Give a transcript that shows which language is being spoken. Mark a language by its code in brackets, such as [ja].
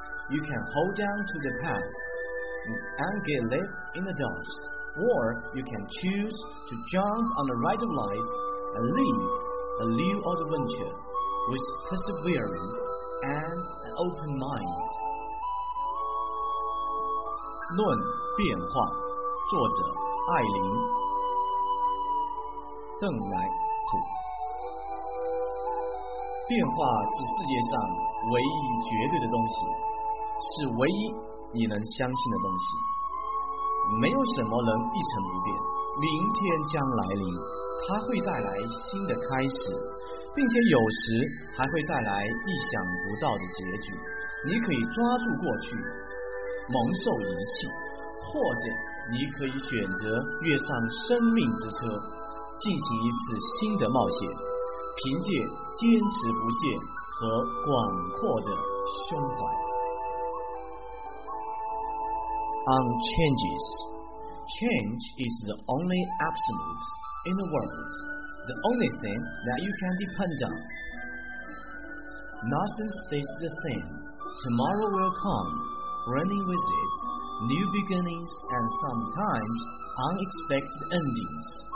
[en] You can hold on to the past and get left in the dust, or you can choose to jump on the ride of life and live a new adventure with perseverance and an open mind. [zh] 论变化，作者艾琳、邓莱普。变化是世界上唯一绝对的东西，是唯一你能相信的东西。没有什么能一成不变，明天将来临，它会带来新的开始，并且有时还会带来意想不到的结局。你可以抓住过去蒙受遗弃，或者你可以选择跃上生命之车，进行一次新的冒险，凭借坚持不懈和广阔的胸怀。 [en] Unchanges. Change is the only absolute in the world, the only thing that you can depend on. Nothing stays the same. Tomorrow will come, bringing with it new beginnings and sometimes unexpected endings.